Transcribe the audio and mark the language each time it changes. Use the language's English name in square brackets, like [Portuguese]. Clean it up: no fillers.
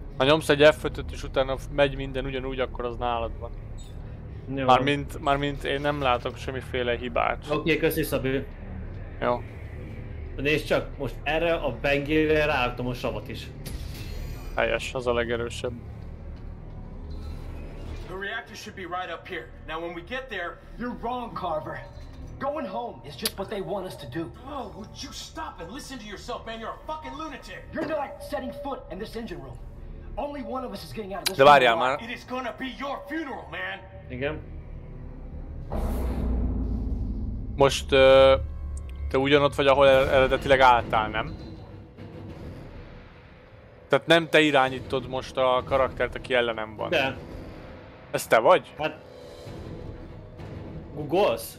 [Hungarian] Ha nyomsz egy F5-öt és utána megy minden ugyanúgy, akkor az nálad van. Jó. Mármint én nem látok semmiféle hibát. Oké, köszi Szabi. Jó. Nézd csak, most erre a bengére ráálltam a savat is. Helyes, az a legerősebb. [English] The reactor should be right up here. Now when we get there, you're wrong, Carver. Going home is just what they want us to do. Oh, would you stop and listen to yourself, man? You're a fucking lunatic. You're not setting foot in this engine room. Only one of us is getting out of this. [Hungarian] De várjál már. [English] It is gonna be your funeral, man. [Hungarian] Igen. Most te ugyanott vagy, ahol eredetileg álltál, nem? Tehát nem te irányítod most a karaktert, aki ellenem van. De. Ez te vagy? Hát... Googolsz?